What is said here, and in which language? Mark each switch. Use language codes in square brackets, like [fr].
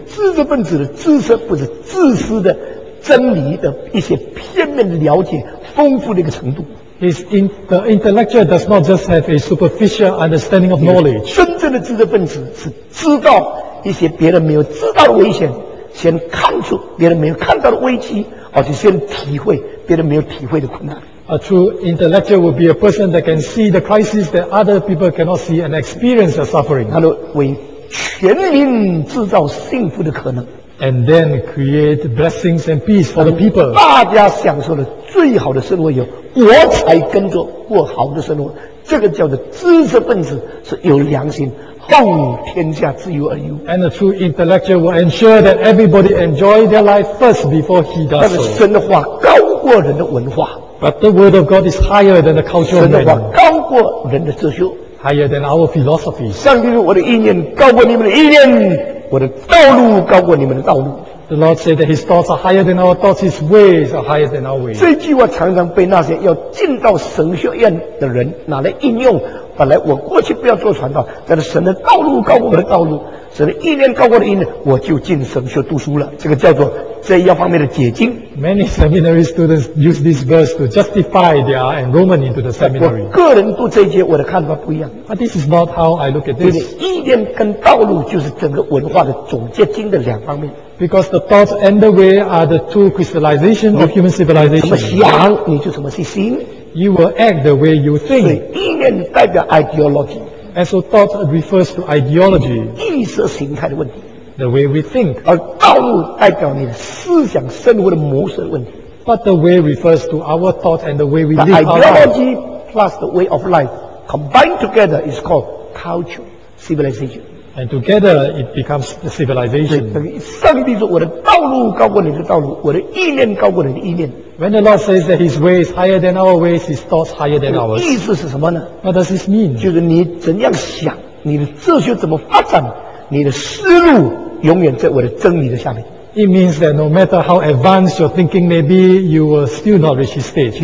[zh] 知识分子的知识不是自私的。真理的一些片面的了解，丰富的一个程度。 [en] The intellectual does not just have a superficial understanding of knowledge. [zh] 真正的知识分子是知道一些别人没有知道的危险，先看出别人没有看到的危机，而且先体会别人没有体会的困难。 [en] A true intellectual would be a person that can see the crisis that other people cannot see and experience the suffering. [zh] 他能为全民制造幸福的可能。 [en] And then create blessings and peace for the people. [zh] 大家享受了最好的生活以后，我才跟着过好的生活。这个叫做知识分子是有良心，后天下之忧而忧。 [en] And a true intellectual will ensure that everybody enjoy their life first before he does so. [zh] 但是神的话高过人的文化。 [en] But the word of God is higher than the cultural man. [zh] 神的话高过人的哲学。 [en] Higher than our philosophy. [zh] 上帝说我的意念高过你们的意念。我的道路高过你们的道路。 [en] The Lord said that His thoughts are higher than our thoughts, His ways are higher than our ways. [zh] 这句话常常被那些要进到神学院的人拿来应用。本来我过去不要做传道，但是神的道路高过我的道路，神的意念高过我的意念，我就进神学读书了。这个叫做这一方面的解经。 [en] Many seminary students use this verse to justify their enrollment into the seminary. [zh] 我个人读这节我的看法不一样。 [en] But this is not how I look at this. [zh] 意念跟道路就是整个文化的总结经的两方面。 [en] Because the thoughts and the way are the two crystallizations of human civilization. [zh] 怎么想你就怎么去行。 [en] You will act the way you think. [zh] 所以意念代表 ideology. [en] And so thought refers to ideology. [zh] 意识形态的问题。 [en] The way we think. [zh] 而道路代表你的思想生活的模式的问题。 [en] But the way refers to our thought and the way we live our life. Ideology plus the way of life combined together is called culture, civilization. And together it becomes the civilization. [zh] 上帝说我的道路高过你的道路，我的意念高过你的意念。 [en] When the Lord says that His way is higher than our ways, His thoughts higher than ours. [zh] 意思是什么呢？ [en] What does this mean? [zh] 就是你怎样想，你的哲学怎么发展，你的思路永远在我的真理的下面。 [en] It means that no matter how advanced your thinking may be, you will still not reach His stage.